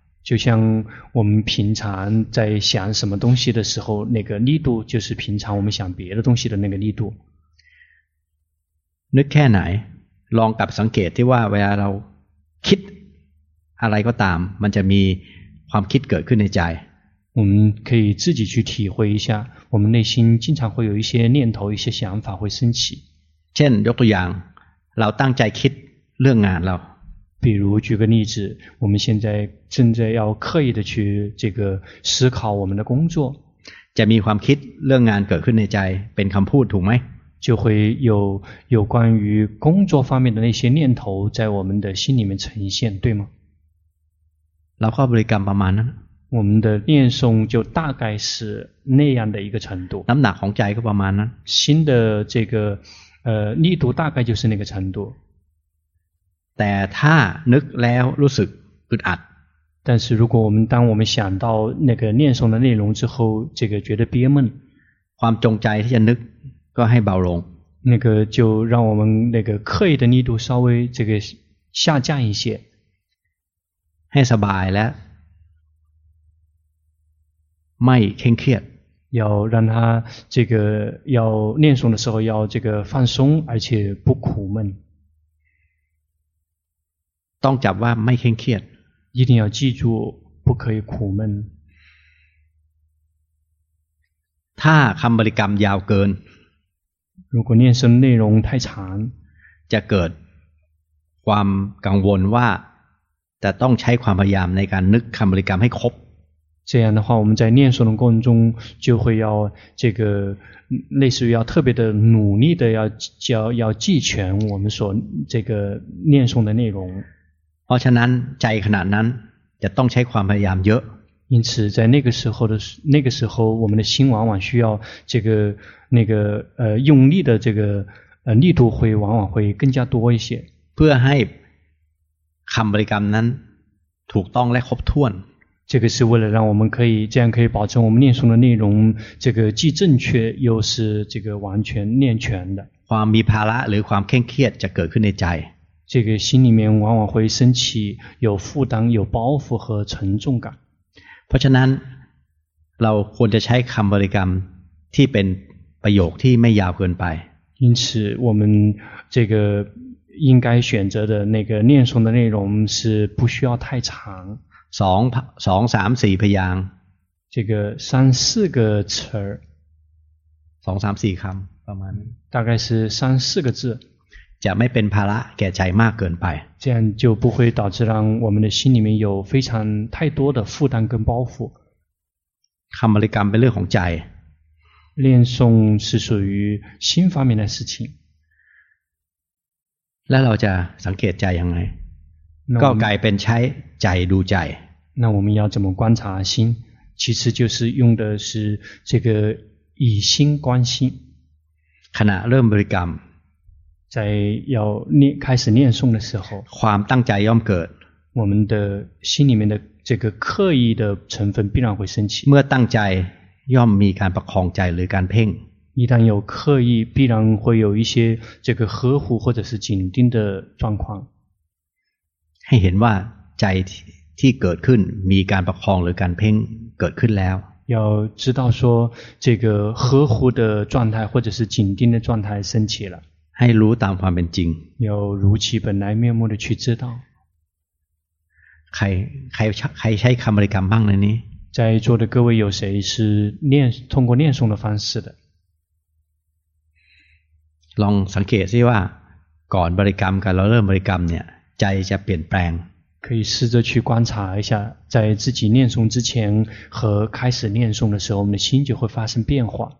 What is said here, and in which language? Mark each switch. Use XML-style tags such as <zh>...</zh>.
<zh>就像我们平常在想什么东西的时候，那个力度就是平常我们想别的东西的那个力度。</zh> <th>นึกแค่ไหน ลองกลับสังเกตที่ว่าเวลาเราคิดอะไรก็ตาม มันจะมีความคิดเกิดขึ้นในใจ</th> <zh>我们可以自己去体会一下，我们内心经常会有一些念头、一些想法会升起。</zh> <th>เช่นยกตัวอย่าง เราตั้งใจคิดเรื่องงานเรา</th> <zh>比如举个例子，我们现在正在要刻意的去这个思考我们的工作，</zh> <th>จะมีความคิดเรื่องงานเกิดขึ้นในใจเป็นคำพูดถูกไหม？</th> <zh>就会有关于工作方面的那些念头在我们的心里面呈现，对吗？</zh> <th>เราก็บริกรรมประมาณนั้น，</th> <zh>我们的念诵就大概是那样的一个程度。</zh> <th>น้ำหนักของใจก็ประมาณนั้น，</th> <zh>心的这个力度大概就是那个程度。</zh> <th>แต่ถ้านึกแล้วรู้สึกอึดอัด</th> <zh>但是如果我们当我们想到那个念诵的内容之后这个觉得憋闷</zh> <th>ความจงใจที่จะนึกก็ให้เบาลง</th> <zh>那个就让我们那个刻意的力度稍微这个下降一些</zh> <th>ให้สบายและไม่เคร่งเครียด</th> <zh>要让他这个要念诵的时候要这个放松而且不苦闷</zh> <th>ต้องจับว่าไม่เคร่งเครียด</th> <zh>一定要记住不可以苦闷</zh> <th>ถ้าคำบริกรรมยาวเกิน</th> <zh>如果念诵内容太长</zh> <th>จะเกิดความกังวลว่าจะต้องใช้ความพยายามในการนึกคำบริกรรมให้ครบ</th> <zh>这样的话，我们在念诵的过程中就会要这个类似于要特别的努力的要记全我们所这个念诵的内容。</zh> <th>เพราะฉะนั้นใจขนาดนั้นจะต้องใช้ความพยายามเยอะ。</th> <zh>因此，在那个时候的那个时候，我们的心往往需要这个那个用力的这个力度会往往会更加多一些。</zh> <th>เพื่อให้คำบริกรรมนั้นถูกต้องและครบถ้วน。</th> <zh>这个是为了让我们可以这样可以保证我们念诵的内容，这个既正确又是这个完全念全的。</zh> <th>ความมีภาระหรือความเคร่งเครียดจะเกิดขึ้นในใจ。</th> <zh>这个心里面往往会升起有负担、有包袱和沉重感。</zh> <th>เพราะฉะนั้นเราควรจะใช้คำบริกรรมที่เป็นประโยคที่ไม่ยาวเกินไป</th> <zh>因此我们这个应该选择的那个念诵的内容是不需要太长</zh> <th>2 3 4พยางค์</th> <zh>这个3 4个词儿</zh> <th>2 3 4คำประมาณนี้</th> <zh>大概是3 4个字</zh> <th>จะไม่เป็นภาระแก่ใจมากเกินไป</th> <zh>这样就不会导致让我们的心里面有非常太多的负担跟包袱</zh> <th>คำบริกรรมเป็นเรื่องของใจ</th> <zh>念诵是属于心方面的事情</zh> <th>แล้วเราจะสังเกตใจยังไงก็กลายเป็นใช้ใจดูใจ</th> <zh>那我们要怎么观察心其实就是用的是这个以心观心</zh> <th>ขณะเริ่มบริกรรม</th> <zh>在要念开始念诵的时候</zh> <th>ความตั้งใจย่อมเกิด</th> <zh>我们的心里面的这个刻意的成分必然会升起</zh> <th>เมื่อตั้งใจย่อมมีการประคองใจหรือการเพ่ง</th> <zh>一旦有刻意必然会有一些这个呵护或者是紧盯的状况</zh> <th>ให้เห็นว่าใจที่เกิดขึ้นมีการประคองหรือการเพ่งเกิดขึ้นแล้ว</th> <zh>要知道说这个呵护的状态或者是紧盯的状态升起了</zh> <th>ให้รู้ตามความเป็นจริง</th> <zh>要如其本来面目的去知道</zh> <th>ใครใช้คำบริกรรมบ้างในนี้</th> <zh>在座的各位有谁是念通过念诵的方式的</zh> <th>ลองสังเกตสิว่าก่อนบริกรรมกันเราเริ่มบริกรรมเนี่ยใจจะเปลี่ยนแปลง</th> <zh>可以试着去观察一下在自己念诵之前和开始念诵的时候我们的心就会发生变化</zh>